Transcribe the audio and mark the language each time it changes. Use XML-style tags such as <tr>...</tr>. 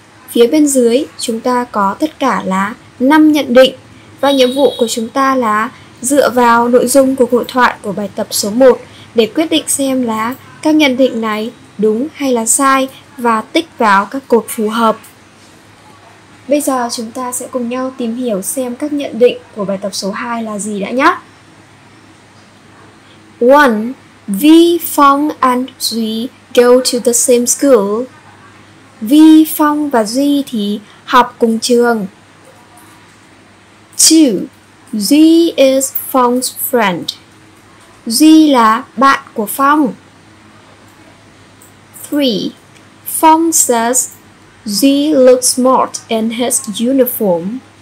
<vi>Phía bên dưới chúng ta có tất cả là 5 nhận định và nhiệm vụ của chúng ta là dựa vào nội dung của hội thoại của bài tập số 1 để quyết định xem là các nhận định này đúng hay là sai và tick vào các cột phù hợp. Bây giờ chúng ta sẽ cùng nhau tìm hiểu xem các nhận định của bài tập số 2 là gì đã nhé. 1.</vi> <en>Vi, Phong and Duy go to the same school.</en> <vi>Vi, Phong và Duy thì học cùng trường.</vi> <en>2. Duy is Phong's friend.</en> <vi>Duy là bạn của Phong.</vi> <en>3. Phong says Duy looks smart in his uniform.</en>